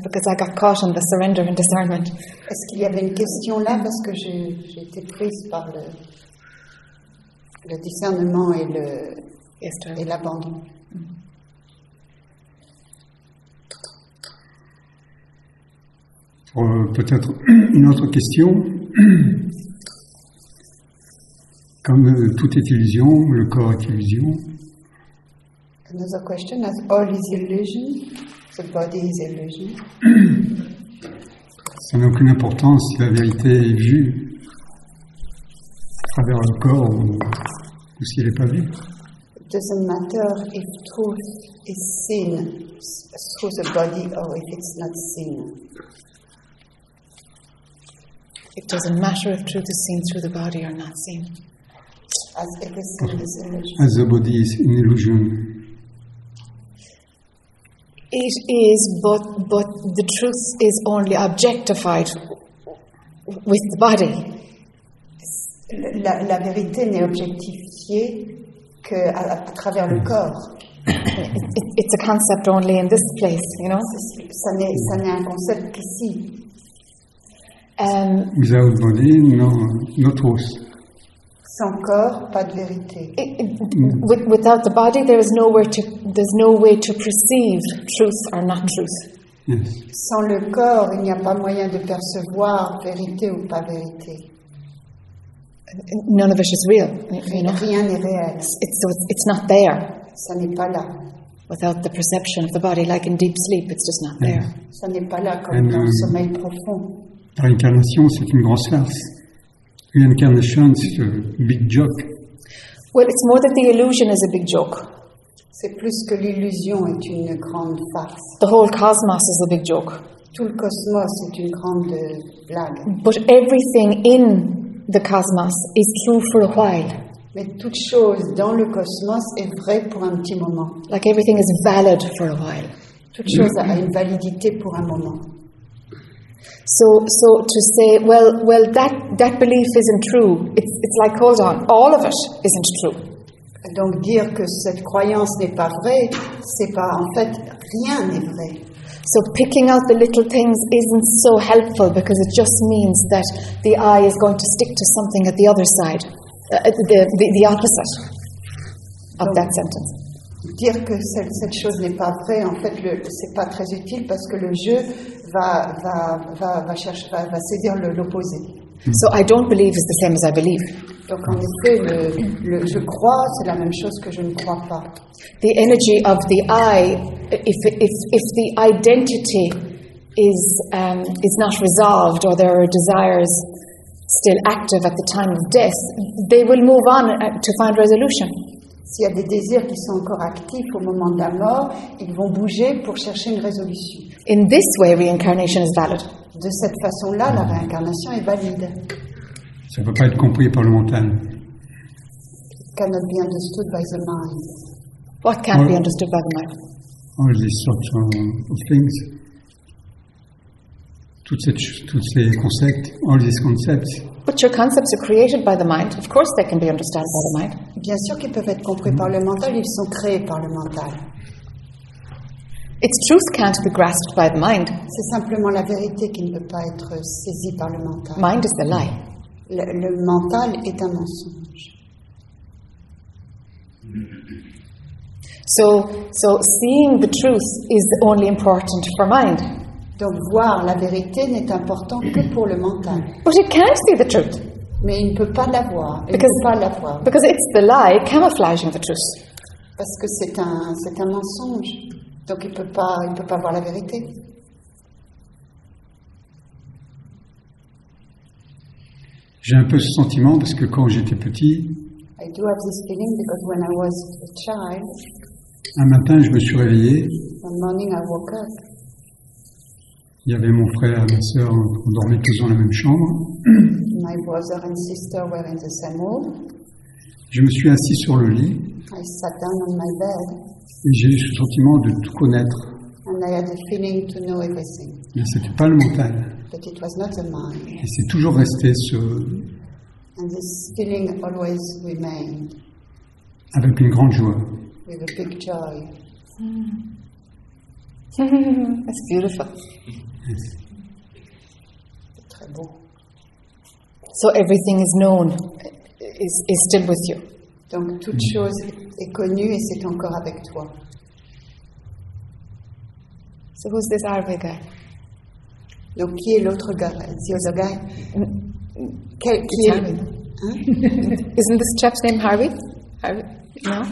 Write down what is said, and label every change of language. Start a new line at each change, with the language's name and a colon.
English: Because I got caught on the surrender and discernment.
French: Est-ce qu'il y avait une question là? Parce que j'ai été prise par le discernement et l'abandon. Mm-hmm. Pour peut-être une autre question. Comme tout est illusion, le corps est illusion.
English: Another question, as all is illusion, the body is illusion.
French: Ça n'a aucune importance si la vérité est vue à travers le corps ou si elle n'est pas vue.
English: It doesn't matter if truth is seen through the body or if it's not seen. It doesn't matter if truth is seen through the body or not seen. As everything is illusion. As the body is an illusion. It is, but the truth is only objectified with the body.
French: La vérité n'est objectifiée que à travers le corps.
English: It's a concept only in this place, you know.
French: Ça n'est un concept qu'ici.
English: Without body, no truth.
French: Sans corps, pas de vérité.
English: Without the body, there's no way to perceive truth or not truth. Yes.
French: Sans le corps, il n'y a pas moyen de percevoir vérité ou pas vérité.
English: None of it is real.
French: Rien n'est réel.
English: It's not there.
French: Ça n'est pas là.
English: Without the perception of the body, like in deep sleep, it's just not there.
French: Ça n'est pas là comme dans le sommeil profond. La réincarnation, c'est une grosse farce. Reincarnation, c'est un
English: big joke. Well, it's more that the illusion is a big joke.
French: C'est plus que l'illusion est une grande farce.
English: The whole cosmos is a big joke.
French: Tout le cosmos est une grande blague.
English: But everything in the cosmos is true for a while.
French: Mais toute chose dans le cosmos est vraie pour un petit moment.
English: Like everything is valid for a while.
French: Toute chose a une validité pour un moment.
English: So to say, well, that belief isn't true. It's like, hold on, all of it isn't true.
French: Donc dire que cette croyance n'est pas vraie, c'est pas en fait rien n'est vrai.
English: So picking out the little things isn't so helpful because it just means that the eye is going to stick to something at the other side, the opposite of that sentence.
French: Dire que cette chose n'est pas vraie, en fait, c'est pas très utile parce que le jeu va saisir l'opposé.
English: So I don't believe is the same as I believe.
French: Donc en effet, le je crois, c'est la même chose que je ne crois pas.
English: The energy of the I, if the identity is not resolved or there are desires still active at the time of death, they will move on to find resolution.
French: S'il y a des désirs qui sont encore actifs au moment de la mort, ils vont bouger pour chercher une résolution.
English: In this way, reincarnation is valid.
French: De cette façon-là, la réincarnation est valide. Ça ne peut pas être compris par le mental.
English: It cannot be understood by the mind. What can't be understood by the mind? All these sorts of things.
French: Tous ces concepts,
English: all these concepts. But your concepts are created by the mind. Of course they can be understood by the mind.
French: Bien sûr qu'ils peuvent être compris par le mental, ils sont créés par le mental.
English: Its truth can't be grasped by the mind.
French: C'est simplement la vérité qui ne peut pas être saisie par le mental.
English: Mind is the lie.
French: Le mental est un mensonge.
English: So seeing the truth is only important for mind.
French: Donc voir la vérité n'est important que pour le mental.
English: But it can't see the truth.
French: Mais il ne peut pas la voir. Il ne peut pas la voir.
English: Because it's the lie camouflaging the truth.
French: Parce que c'est un mensonge. Donc il peut pas voir la vérité. J'ai un peu ce sentiment parce que quand j'étais petit.
English: I do have this feeling because when I was a child.
French: Un matin, je me suis réveillé.
English: One morning, I woke up.
French: Il y avait mon frère et ma sœur, on dormait tous dans la même chambre.
English: My brother and sister were in the same room.
French: Je me suis assis sur le lit.
English: I sat down on my bed.
French: Et j'ai eu ce sentiment de tout connaître.
English: And I had a feeling to know everything.
French: Mais ce n'était pas le mental.
English: But it was not the mind.
French: Et c'est toujours resté ce...
English: And this feeling always remained.
French: Avec une grande joie.
English: With a big joy. That's beautiful. Yes.
French: Très beau.
English: So everything is known is still with you.
French: Donc toute chose est connue et c'est encore avec toi.
English: So who's this Arve guy?
French: Donc qui est l'autre gars?
English: Is the other guy?
French: Qui est? Hein?
English: Isn't this chap's name Harvey? Harvey? No.